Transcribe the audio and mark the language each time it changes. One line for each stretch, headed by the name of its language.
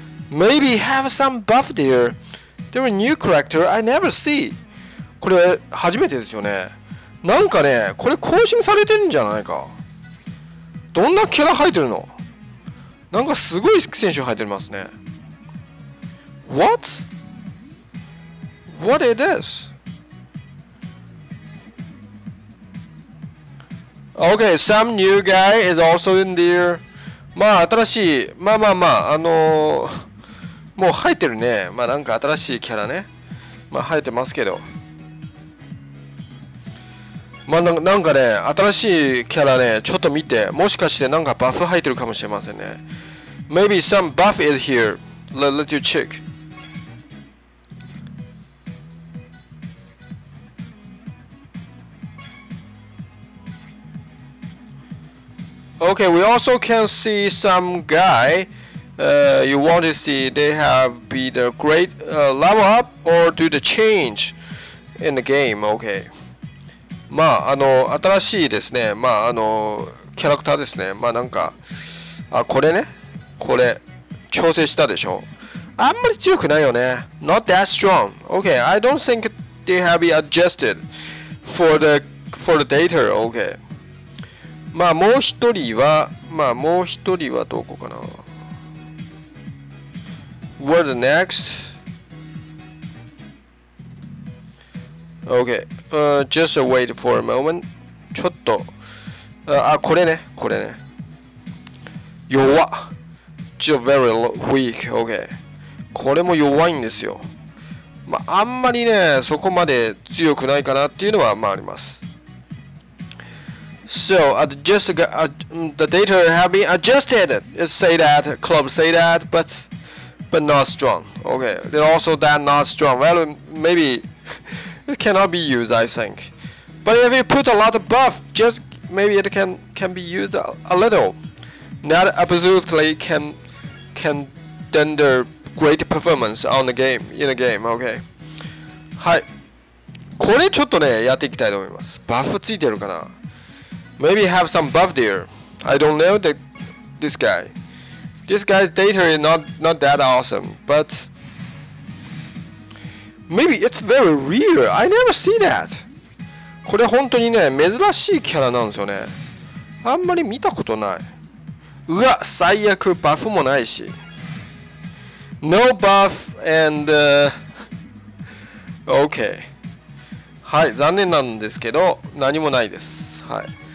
English: Maybe have some buff there. There are new character I never see.
Japanese: これ初めてですよね。なんかね、これ更新されてるんじゃないか。どんなキャラ入ってるの。なんかすごい選手入ってますね。
English: What is thisOkay, some new guy is also in there.
Japanese: まあ新しい、まあまあまあ、もう入ってるね。まあなんか新しいキャラね。まあ入ってますけど。まあなんかね、新しいキャラね、ちょっと見て、もしかしてなんかバフ入ってるかもしれませんね。
English: Maybe some buff is here. Let you check. Okay, we also can see some guy you want to see. They have be the great level up or do the change in the game.
Japanese: Okay. まあ新しいですね。まあキャラクターですね。まあなんかあこれね、これ調整したでしょ。あんまり強くないよね。
English: Not that strong. Okay, I don't think they have been adjusted for the data. Okay.
Japanese: まあもう一人は、まあもう一人はどこかな。
English: What next? Okay. Just wait for a moment.
Japanese: ちょっと。あ、これね。これね。弱。
English: Just very weak. Okay.
Japanese: これも弱いんですよ。まあ、あんまりね、そこまで強くないかなっていうのは、まあ、あります。
English: So, the data have been adjusted. It say that, club say that, but not strong. Okay, then also that not strong. Well, maybe it cannot be used, I think. But if you put a lot of buff, just maybe it can be used a little. Not absolutely can render great performance on the game, in the game, okay.
Japanese: はい。これちょっとね、やっていきたいと思います。バフついてるかな？
English: Maybe have some buff there. I don't know this guy. This guy's data is not that awesome, but maybe it's very rare. I never see that.
Japanese: これ本当にね、珍しいキャラなんですよね。あんまり見たことない。うわ、最悪、バフもないし。
English: No buff and okay.
Japanese: はい、残念なんですけど、何もないです。はい。